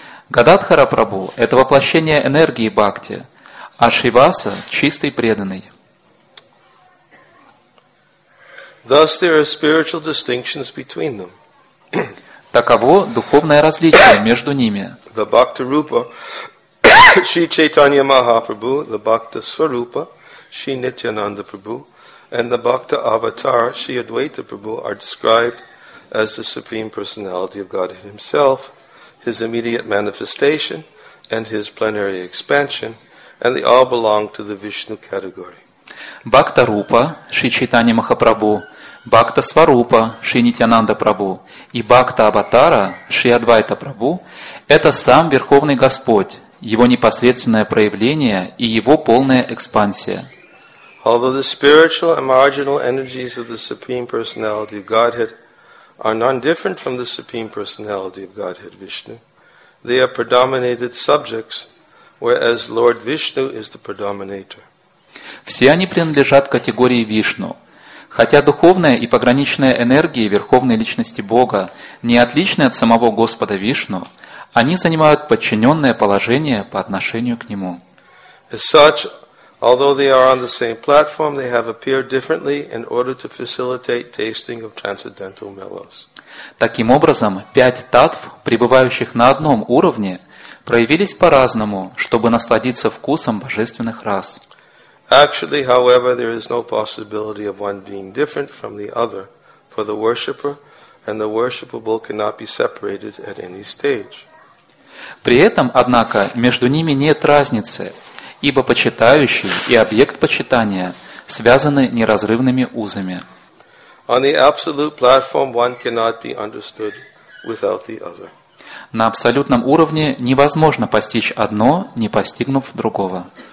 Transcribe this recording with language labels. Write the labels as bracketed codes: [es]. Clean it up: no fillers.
[ru] Гададхара Прабху – это воплощение энергии бхакти, а Шриваса – чистый преданный. [en] Thus there are spiritual distinctions between them. [ru] Таково духовное различие между ними. [en] The Bhakta Rupa, Shri Chaitanya Mahaprabhu, the Bhakta Swarupa, Shri Nityananda Prabhu, and the Bhakta Avatar, Shri Advaita Prabhu, are described as the Supreme Personality of God Himself, His immediate manifestation, and His plenary expansion, and they all belong to the Vishnu category. [ru] Bhakta Rupa, Shri Chaitanya Mahaprabhu, Бхакта Сварупа, Шри Нитьянанда Прабху, и Бхакта Аватара, Шри Адвайта Прабху – это сам Верховный Господь, Его непосредственное проявление и Его полная экспансия. [en] Although the spiritual and marginal energies of the Supreme Personality of Godhead are none different from the Supreme Personality of Godhead, Vishnu, they are predominated subjects, whereas Lord Vishnu is the predominator. [ru] Все они принадлежат категории Вишну. Хотя духовная и пограничная энергии Верховной Личности Бога не отличны от самого Господа Вишну, они занимают подчиненное положение по отношению к Нему. [en] As such, although they are on the same platform, they have appeared differently in order to facilitate tasting of transcendental mellows. [ru] Таким образом, пять таттв, пребывающих на одном уровне, проявились по-разному, чтобы насладиться вкусом божественных рас. [en] Actually, however, there is no possibility of one being different from the other for the worshipper, and the worshipable cannot be separated at any stage. [ru] При этом, однако, между ними нет разницы, ибо почитающий и объект почитания связаны неразрывными узами. [en] On the absolute platform, one cannot be understood without the other. [ru] На абсолютном уровне невозможно постичь одно, не постигнув другого.